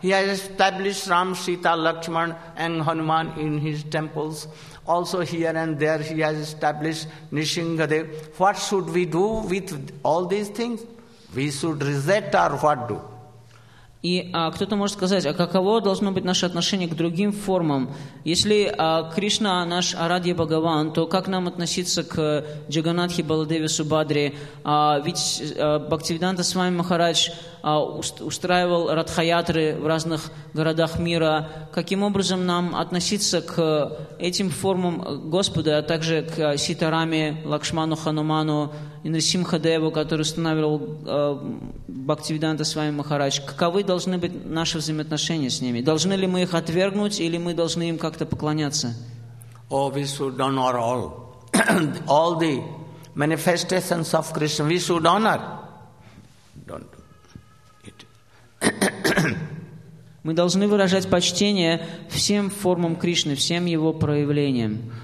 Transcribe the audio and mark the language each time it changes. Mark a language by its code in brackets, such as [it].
[en] He has established Ram, Sita, Lakshman and Hanuman in his temples. Also here and there he has established Nrisimhadev. What should we do with all these things? We should reject or what do? [ru] И кто-то может сказать, а каково должно быть наше отношение к другим формам? Если Кришна наш Арадья Бхагаван, то как нам относиться к Джаганнатхе Баладеве Субхадре? Ведь Бхактивиданта Свами Махарадж устраивал радхаятры в разных городах мира. Каким образом нам относиться к этим формам Господа, а также к Ситараме, Лакшману, Хануману, Нрисимхадеву, который устанавливал Бхактивиданта Свами Махарадж? Каковы должны быть наши взаимоотношения с ними? Должны ли мы их отвергнуть или мы должны им как-то поклоняться? [en] Oh, we should honor all. All the manifestations of Krishna we should honor. Don't do it. [ru] Мы должны выражать почтение всем формам Кришны, всем его проявлениям.